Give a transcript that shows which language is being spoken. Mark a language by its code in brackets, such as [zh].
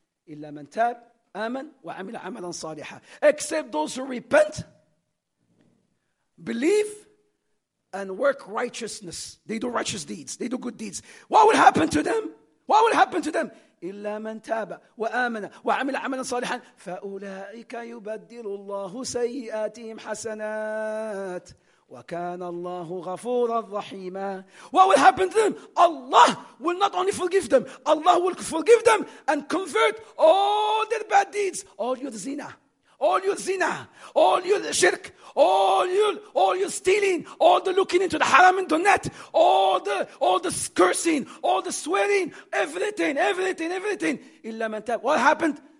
[ar] إلا من تاب, آمن, وعمل عملا صالحا. [en] Except those who repent, believe, and work righteousness. They do righteous deeds. They do good deeds. What will happen to them? What will happen to them? [ar] إلا من تاب وآمن وعمل عملا صالحا فأولئك يبدل الله سيئاتهم حسنات وكان الله غفورا رحيما. [en] What will happen to them? Allah will not only forgive them. Allah will forgive them and convert all their bad deeds, all your zina, all your zina, all your shirk, all your stealing, all the looking into the haram and the net, all the cursing, all the swearing, everything. Illa man tab. What happened?